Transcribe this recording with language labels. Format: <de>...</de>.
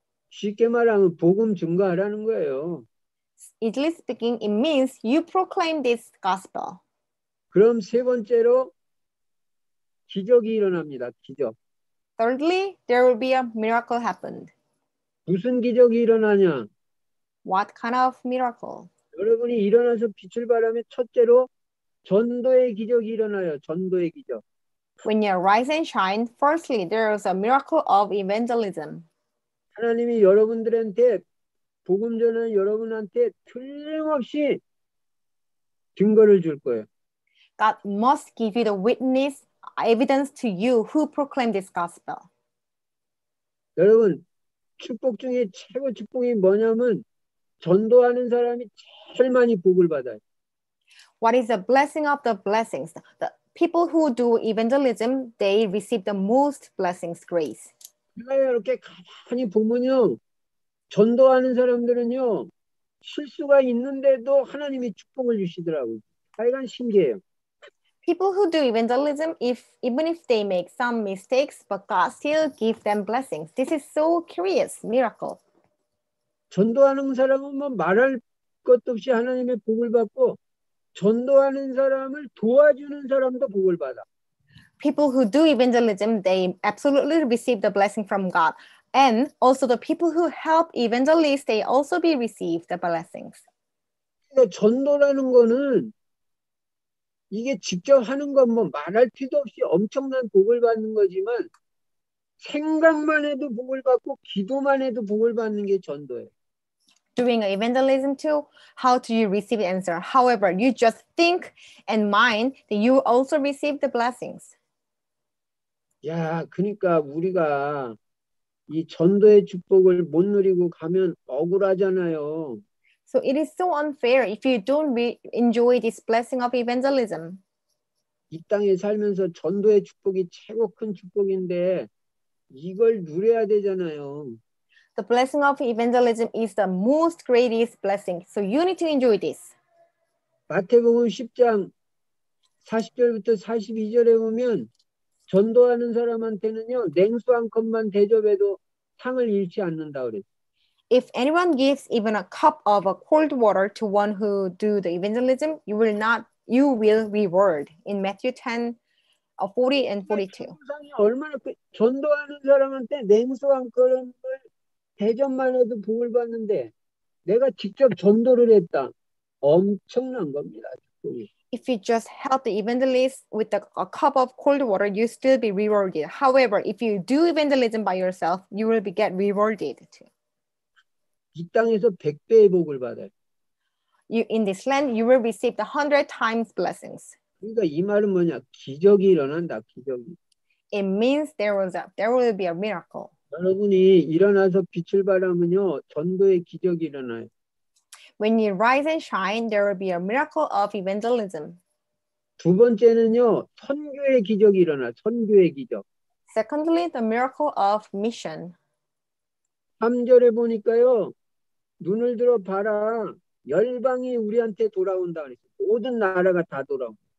<ko>쉽게 말하면 복음 증거하라는 거예요.</ko> <en>Easily speaking, it means you proclaim this gospel.</en> <ko>그럼 세 번째로 기적이 일어납니다. 기적.</ko> <en>Thirdly, there will be a miracle happened.</en> <ko>무슨 기적이 일어나냐?</ko> <en>What kind of miracle?</en> <ko>여러분이 일어나서 빛을 발하면 첫째로 전도의 기적이 일어나요. 전도의 기적.</ko> <en>When you rise and shine, firstly, there is a miracle of evangelism.</en> <ko>하나님이 여러분들한테 복음 전하는 여러분한테 틀림없이 증거를 줄 거예요.</ko> <en>God must give you the witness evidence to you who proclaim this gospel.</en> <ko>여러분, 축복 중에 최고 축복이 뭐냐면 전도하는 사람이 제일 많이 복을 받아요.</ko> <en>What is the blessing of the blessings? The people who do evangelism, they receive the most blessings, grace.</en> <ko>이렇게 가만히 보면요, 전도하는 사람들은요, 실수가 있는데도 하나님이 축복을 주시더라고요. 하여간 신기해요.</ko> <en>People who do evangelism, even if they make some mistakes, but God still gives them blessings. This is so curious, miracle.</en> <ko>전도하는 사람은 뭐 말할 것도 없이 하나님의 복을 받고, 전도하는 사람을 도와주는 사람도 복을 받아.</ko> <en>People who do evangelism, they absolutely receive the blessing from God. And also the people who help evangelists, they also be received the blessings.</en> <ko>전도라는 거는 이게 직접 하는 건 뭐 말할 필요도 없이 엄청난 복을 받는 거지만 생각만 해도 복을 받고 기도만 해도 복을 받는 게 전도예요.</ko> <en>Doing evangelism too, how do you receive the answer? However, you just think and mind that you also receive the blessings.</en> <ko>야, 그러니까 우리가 이 전도의 축복을 못 누리고 가면 억울하잖아요.</ko> <en>So it is so unfair if you don't enjoy this blessing of evangelism.</en> <ko>이 땅에 살면서 전도의 축복이 최고 큰 축복인데 이걸 누려야 되잖아요.</ko> <en>The blessing of evangelism is the most greatest blessing. So you need to enjoy this.</en> <ko>마태복음 10장 40절부터 42절에 보면 전도하는 사람한테는요, 냉수 한 컵만 대접해도 상을 잃지 않는다 그랬어요.</ko> <en>If anyone gives even a cup of a cold water to one who do the evangelism, you will reward in Matthew 10, 40 and 42.</en> <ko>얼마나 전도하는 사람한테 냉수 한 컵을 대접만 해도 복을 받는데 내가 직접 전도를 했다. 엄청난 겁니다.</ko> <en>If you just help the evangelist with a cup of cold water, you still be rewarded. However, if you do evangelism by yourself, you will get rewarded too.</en> <ko>이 땅에서 100배의 복을 받아요.</ko> <en>You, in this land, you will receive 100 times blessings.</en> <ko>그러니까 이 말은 뭐냐? 기적이 일어난다, 기적이.</ko> <en>It means there will be a miracle.</en> <ko>여러분이 일어나서 빛을 발하면요, 전도의 기적이 일어나요.</ko> <en>When you rise and shine, there will be a miracle of evangelism.</en> <ko>두 번째는요, 선교의 기적이 일어나요, 선교의 기적.</ko> <en>Secondly, the miracle of mission.</en> <ko>3절에 보니까요. 눈을 들어 봐라. 열방이 우리한테 돌아온다 그랬어. 모든 나라가 다 돌아온다.</ko>